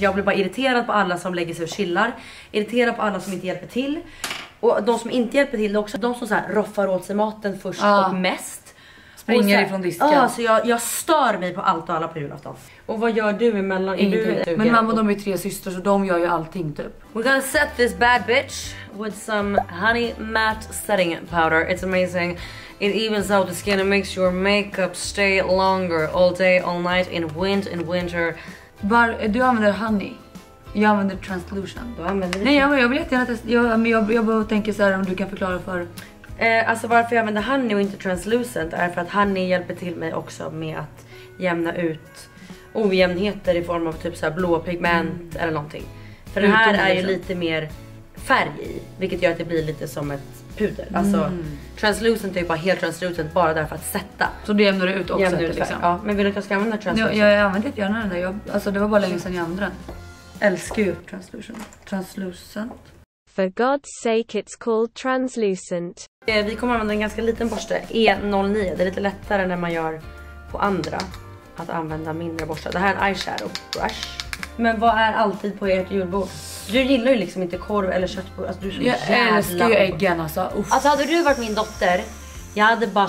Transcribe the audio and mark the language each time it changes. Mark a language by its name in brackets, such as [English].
[Swedish] För jag blir bara irriterad på alla som lägger sig och chillar. Irriterad på alla som inte hjälper till. Och de som inte hjälper till, det är också de som så här roffar åt sig maten först och mest. Springer och så, ifrån disken. Ja, så jag stör mig på allt och alla på julafton. Och vad gör du emellan? Ingenting. Men mamma och de är 3 systrar så de gör ju allting typ. [English] We're gonna set this bad bitch with some honey matte setting powder. It's amazing. It evens out the skin and makes your makeup stay longer all day, all night, in wind, in winter. [Swedish] Var, du använder honey. Jag använder translucent. Du använder det? Nej, jag vill jättegärna testa. Jag bara tänker så här om du kan förklara för... Alltså varför jag använder honey och inte translucent är för att honey hjälper till mig också med att jämna ut ojämnheter i form av typ så här blå pigment eller någonting. För den här är ju lite mer färg i, vilket gör att det blir lite som ett puder. Alltså translucent är ju bara helt translucent bara därför att sätta. Så du jämnar ut också jämnar ut liksom. Ja, men vill du att jag ska använda translucent? Ja, jag använde inte gärna den där. Alltså det var bara länge sedan jag använde den. Älskar ju translucent. [English] For God's sake, it's called translucent. [Swedish] Vi kommer använda en ganska liten borste, E09. Det är lite lättare när man gör på andra att använda mindre borstar. Det här är en eyeshadow brush. Men vad är alltid på ert julbord? Du gillar ju liksom inte korv eller köttbord. Alltså, du älskar ju äggen alltså. Uff. Alltså hade du varit min dotter, jag hade bara